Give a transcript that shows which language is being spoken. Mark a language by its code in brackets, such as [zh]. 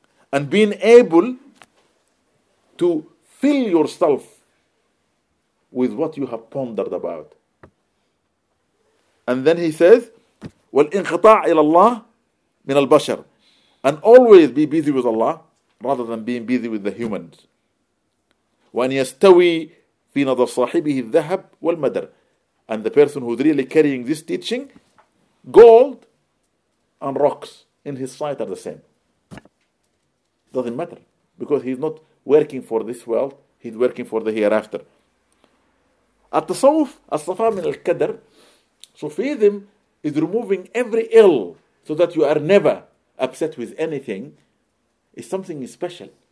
[en] And being able to fill yourself with what you have pondered about. And then he says, [ar] وَالْإِنْقِطَاعِ إِلَى اللَّهِ مِنَ الْبَشَرِ. [en] And always be busy with Allah rather than being busy with the humans. [ar] وَأَنْ يَسْتَوِي في نظر صاحبه الذهب والمدر. [en] And the person who's really carrying this teaching, gold and rocks in his sight are the same. Doesn't matter. Because he's not working for this world, he's working for the hereafter. At-tasawuf, as-safa min al-kadr, Sufism is removing every ill so that you are never upset with anything. It's something special.